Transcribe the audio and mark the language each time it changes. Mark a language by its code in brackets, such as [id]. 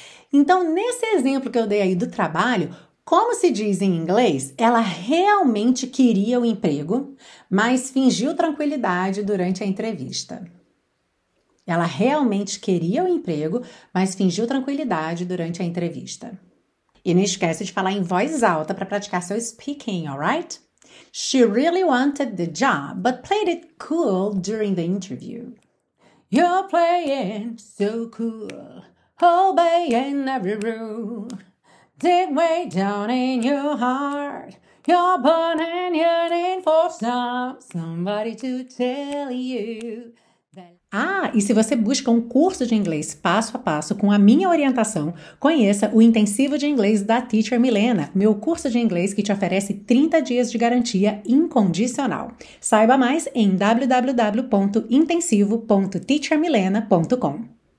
[pt] Então, nesse exemplo que eu dei aí do trabalho, como se diz em inglês, ela realmente queria o emprego, mas fingiu tranquilidade durante a entrevista. Ela realmente queria o emprego, mas fingiu tranquilidade durante a entrevista. E não esquece de falar em voz alta para praticar seu speaking, alright? [en] She really wanted the job, but played it cool during the interview. You're playing so cool, obeying every rule. Deep way down in your heart, you're burning, yearning for somebody to tell you. [pt] Ah, e se você busca um curso de inglês passo a passo com a minha orientação, conheça o Intensivo de Inglês da Teacher Milena, meu curso de inglês que te oferece 30 dias de garantia incondicional. Saiba mais em www.intensivo.teachermilena.com.